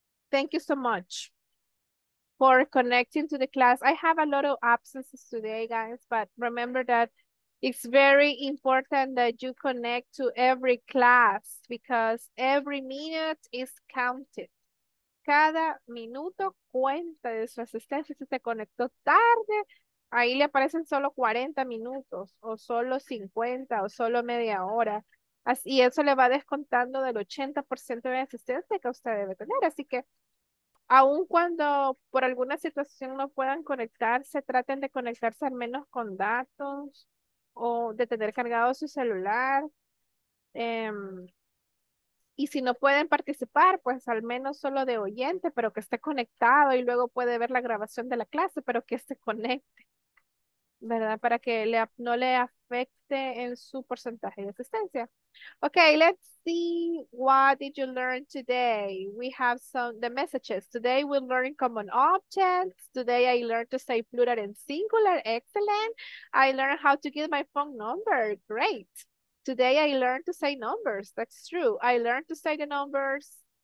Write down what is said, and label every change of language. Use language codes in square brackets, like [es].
[en] Thank you so much for connecting to the class. I have a lot of absences today, guys, but remember that it's very important that you connect to every class because every minute is counted. [es] Cada minuto cuenta de su asistencia. Si se conectó tarde, ahí le aparecen solo 40 minutos o solo 50 o solo media hora. Y eso le va descontando del 80% de asistencia que usted debe tener. Así que aun cuando por alguna situación no puedan conectarse, traten de conectarse al menos con datos o de tener cargado su celular, y si no pueden participar, pues al menos solo de oyente, pero que esté conectado y luego puede ver la grabación de la clase, pero que esté conecte, ¿verdad? Para que no le afecte en su porcentaje de asistencia. [en] Okay, let's see what did you learn today. We have some the messages. Today we learned common objects. Today I learned to say plural and singular. Excellent. I learned how to give my phone number. Great. Today I learned to say numbers. That's true. I learned to say the numbers.